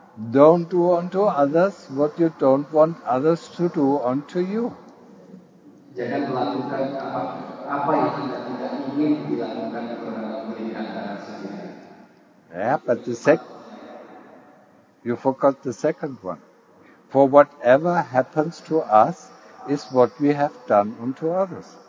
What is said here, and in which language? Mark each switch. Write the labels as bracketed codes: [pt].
[en] Don't do unto others what you don't want others to do unto you. [id] Jangan melakukan apa yang tidak ingin dilakukan kepada diri Anda sendiri. [en] Yeah, but you forgot the second one. For whatever happens to us is what we have done unto others.